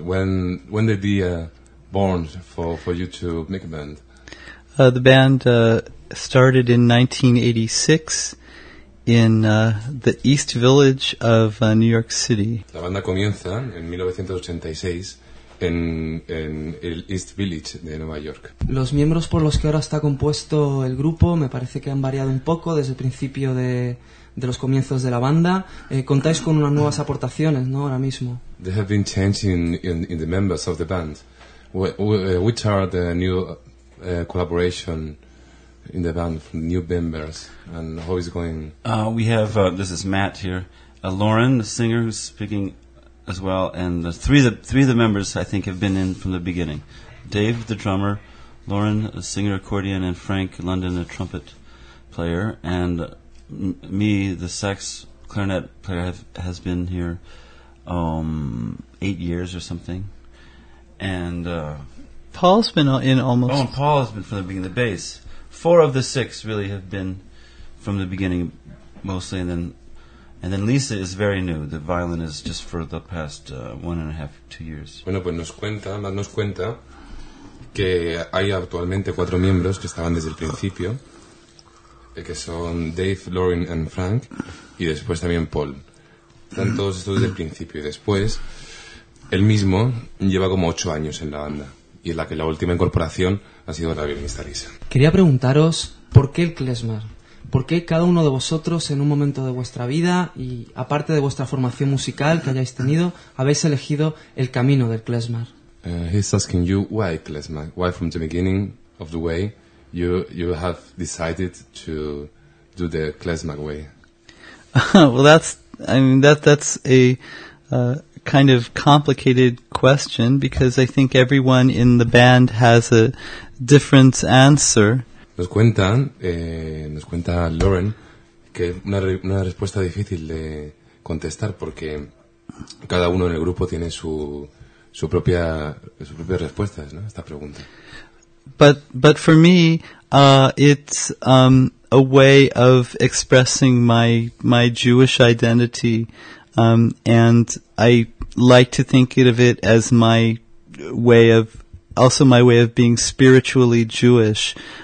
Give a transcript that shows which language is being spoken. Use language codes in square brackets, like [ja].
[en] When the idea born for you to make a band? The band started in 1986 in the East Village of New York City. [es] La banda comienza en 1986 en el East Village de Nueva York. Los miembros por los que ahora está compuesto el grupo me parece que han variado un poco desde el principio de los comienzos de la banda. Contáis con unas nuevas aportaciones, ¿no? Ahora mismo. [en] There have been changes in the members of the band. Which are the new collaboration in the band, from new members, and how is it going? We have this is Matt here, Lauren, the singer, who's speaking as well, and the three members I think have been in from the beginning: Dave, the drummer; Lauren, the singer, accordion; and Frank London, the trumpet player; and me, the sax clarinet player, has been here 8 years or something. And Paul's been in almost... Oh, and Paul has been from the beginning, the bass. Four of the six really have been from the beginning, mostly. And then Lisa is very new. The violin is just for the past 1.5-2 years. [es] Bueno, pues nos cuenta que hay actualmente cuatro miembros que estaban desde el principio, que son Dave, Lauren y Frank, y después también Paul. Están todos estos desde el principio, y después él mismo lleva como 8 años en la banda, y en la que la última incorporación ha sido la violinista Lisa. Quería preguntaros, ¿por qué el klezmer? ¿Por qué cada uno de vosotros en un momento de vuestra vida, y aparte de vuestra formación musical que hayáis tenido, habéis elegido el camino del klezmer? [en] He's asking you why klezmer, why from the beginning of the way you have decided to do the klezmer way. Well, that's a kind of complicated question, because I think everyone in the band has a different answer. [es] Nos cuenta Lauren que una respuesta difícil de contestar, porque cada uno en el grupo tiene su propia respuesta, ¿no?, a esta pregunta. [en] But for me, it's a way of expressing my Jewish identity. And I like to think of it as my way of, also my way of being spiritually Jewish.